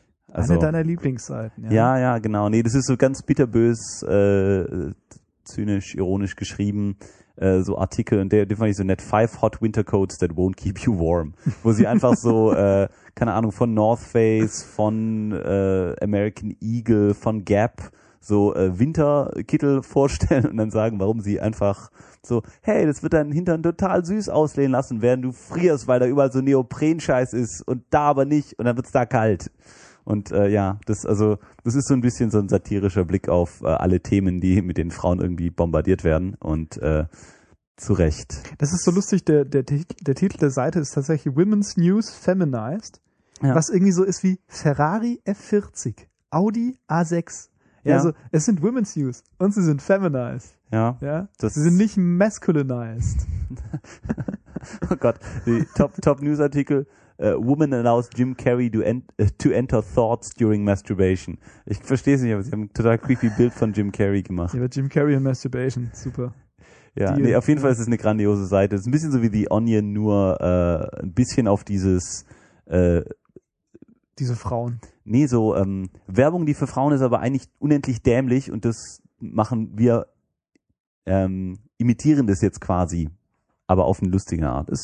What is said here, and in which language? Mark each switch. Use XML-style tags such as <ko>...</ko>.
<de>Also, eine deiner Lieblingsseiten, ja. Ja, genau. Nee, das ist so ganz bitterbös, zynisch, ironisch geschrieben, so Artikel. Und der fand ich so nett.</de> <en>5 hot winter coats that won't keep you warm.</en> <de>Wo sie einfach so, keine Ahnung, von North Face, von American Eagle, von Gap so Winterkittel vorstellen und dann sagen, warum sie einfach so, hey, das wird deinen Hintern total süß auslehnen lassen, während du frierst, weil da überall so Neopren-Scheiß ist und da aber nicht und dann wird's da kalt. Und das ist so ein bisschen so ein satirischer Blick auf alle Themen, die mit den Frauen irgendwie bombardiert werden und zu Recht. Das ist so lustig, der Titel der Seite ist tatsächlich Women's News Feminized, ja. Was irgendwie so ist wie Ferrari F40, Audi A6. Ja, ja. Also es sind Women's News und sie sind feminized. Ja. Ja? Das sie sind nicht masculinized. Oh Gott, die Top News Artikel.</de> <en>Woman allows Jim Carrey to enter thoughts during masturbation.</en> <de>Ich verstehe es nicht, aber sie haben ein total creepy Bild von Jim Carrey gemacht. Ja, Jim Carrey und Masturbation, super. Ja, nee, auf jeden Fall ist es eine grandiose Seite. Es ist ein bisschen so wie The Onion, nur ein bisschen auf dieses... diese Frauen. Nee, so Werbung, die für Frauen ist, aber eigentlich unendlich dämlich und das machen wir, imitieren das jetzt quasi, aber auf eine lustige Art.</de>